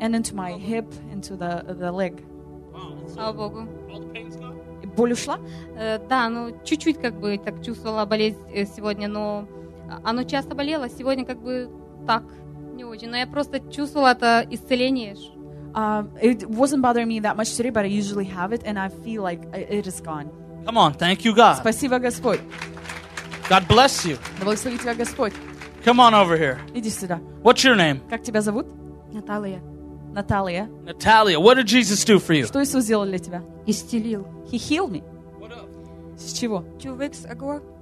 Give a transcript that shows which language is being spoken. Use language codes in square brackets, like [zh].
[en] and into my hip, into the leg. [ru] Слава Богу. Боль ушла? Да, ну чуть-чуть как бы так чувствовала болезнь сегодня, но оно часто болело, сегодня как бы так, не очень. Но я просто чувствовала это исцеление. [en] It wasn't bothering me that much today, but I usually have it, and I feel like it is gone. Come on, thank you, God. [ru] Спасибо, Господь. [en] God bless you. [ru] Да благослови тебя, Господь. [en] Come on over here. [ru] Иди сюда. [en] What's your name? [ru] Как тебя зовут? Наталья. Наталья. [en] Наталья, what did Jesus do for you? [ru] Что Иисус сделал для тебя? Исцелил. [en] He healed me. What up? [ru] С чего? [en] 2 weeks ago.